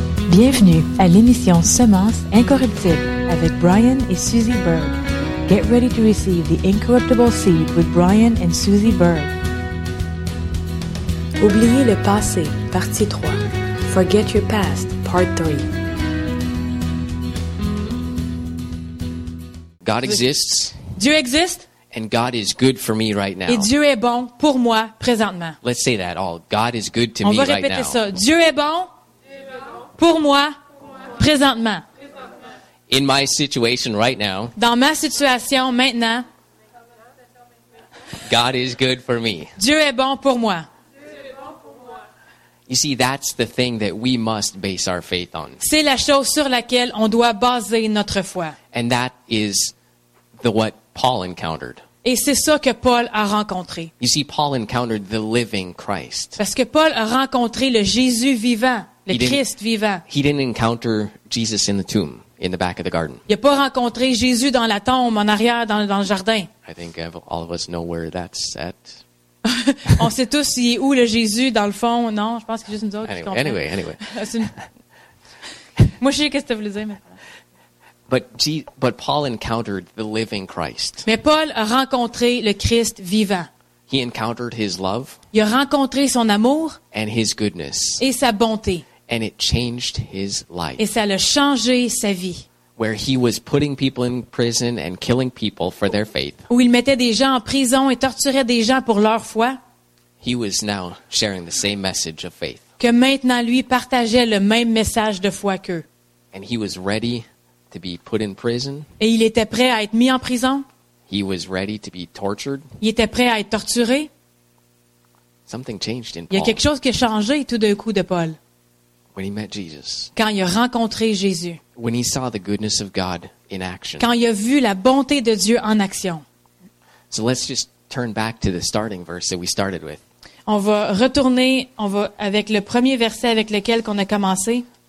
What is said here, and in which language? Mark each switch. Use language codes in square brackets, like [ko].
[fr] Bienvenue à l'émission Semence incorruptible avec Brian et Suzy Berg. [en] Get ready to receive the incorruptible seed with Brian and Suzy Berg. [fr] Oubliez le passé, partie 3. [en] Forget your past, part 3. God exists. [fr] Dieu existe. [en] And God is good for me right now. [fr] Et Dieu est bon pour moi présentement. [en] Let's say that all. God is good to [fr] On [en] me right now. [fr] On va répéter ça. Dieu est bon. Pour moi, présentement. [en] In my situation right now. [fr] Dans ma situation maintenant. [en] God is good for me. [fr] Dieu est bon pour moi. [en] You see, that's the thing that we must base our faith on. [fr] C'est la chose sur laquelle on doit baser notre foi. [en] And that is the what Paul encountered. [fr] Et c'est ça que Paul a rencontré. [en] You see, Paul encountered the living Christ. [fr] Parce que Paul a rencontré le Jésus vivant. Le Christ vivant. [en] He didn't encounter Jesus in the tomb, in the back of the garden. [fr] Il n'a pas rencontré Jésus dans la tombe, en arrière, dans le jardin. [en] I think all of us know where that's at. [fr] On sait tous où le Jésus, dans le fond. Non, je pense que c'est juste nous autres [en] anyway, [fr] qui comprennent. [en] Anyway. [fr] Moi, je sais ce que tu voulais dire, mais... [en] But Paul encountered the living Christ. [fr] Mais Paul a rencontré le Christ vivant. [en] He encountered his love. [fr] Il a rencontré son amour. [en] And his goodness. [fr] Et sa bonté. [en] And it changed his life. [fr] Et ça l'a changé sa vie. [en] Where he was putting people in prison and killing people for their faith. [fr] Où il mettait des gens en prison et torturait des gens pour leur foi. [en] He was now sharing the same message of faith. [fr] Que maintenant lui partageait le même message de foi qu'eux. [en] And he was ready to be put in prison. [fr] Et il était prêt à être mis en prison. [en] He was ready to be tortured. [fr] Il était prêt à être torturé. [en] Something changed in Paul. [fr] Il y a quelque chose qui a changé tout d'un coup de Paul. [en] When he met Jesus. [fr] Quand il a rencontré Jésus. [en] When he saw the goodness of God in action. [fr] Quand il a vu la bonté de Dieu en action. [en] So let's just turn back to the starting verse that we started with. [fr] On va avec le premier verset avec lequel qu'on a commencé.